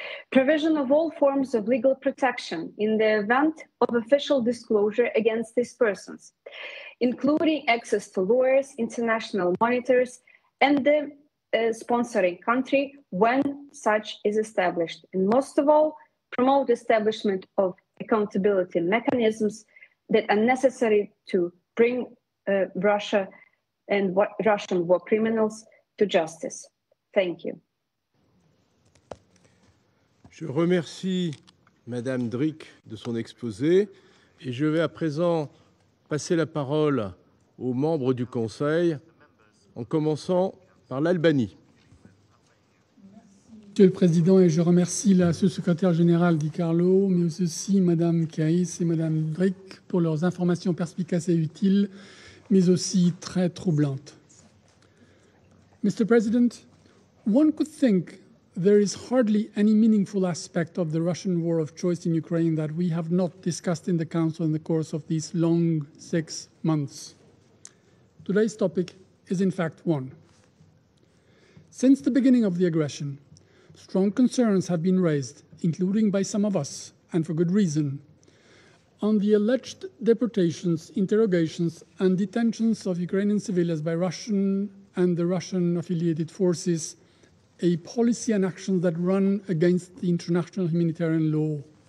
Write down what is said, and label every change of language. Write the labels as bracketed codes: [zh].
[en] Provision of all forms of legal protection in the event of official disclosure against these persons, including access to lawyers, international monitors, and the sponsoring country when such is established. And most of all, promote establishment of accountability mechanisms that are necessary to bring Russia and Russian war criminals to justice. Thank you. [fr] Je remercie Madame Drick de son exposé et je vais à présent passer la parole aux membres du Conseil en commençant par l'Albanie. Monsieur le Président, et je remercie la sous-secrétaire générale Di Carlo, mais aussi Madame Caïs et Madame Drick pour leurs informations perspicaces et utiles, mais aussi très troublantes. [en] Mr. President, one could think there is hardly any meaningful aspect of the Russian war of choice in Ukraine that we have not discussed in the Council in the course of these long 6 months. Today's topic is in fact one. Since the beginning of the aggression, strong concerns have been raised, including by some of us, and for good reason, on the alleged deportations, interrogations, and detentions of Ukrainian civilians by Russian and the Russian-affiliated forces, a policy and actions that run against the international humanitarian law.